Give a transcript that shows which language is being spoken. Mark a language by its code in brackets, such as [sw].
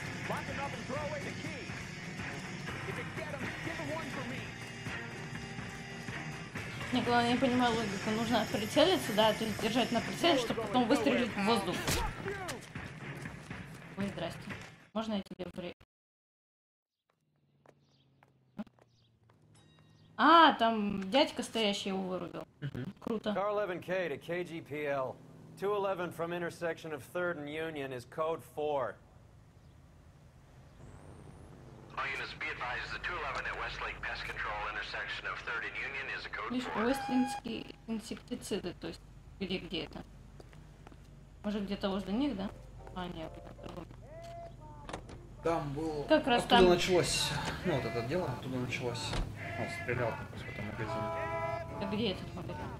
[en] Lock it up and throw away the key. If you get him, give the one for me. [ru] Не, главное, я не понимаю логику. Нужно прицелиться, да, то есть держать на прицеле, you чтобы потом выстрелить в воздух. Ой, здрасте. Можно я тебе А, там дядька стоящий его вырубил. Круто. [en] Car 11K to KGPL. 211 from intersection of 3rd and Union is code 4. All units be advised, the 211 at Westlake Pest Control intersection of 3rd and Union is a code 4. [ru] Вестлинские инсектициды, то есть где-где это? Может где-то возле них, да? А, нет. Там было. Как раз оттуда там. Началось. Ну вот это дело оттуда началось. Он стрелял как раз в этом магазине. Да где этот магазин?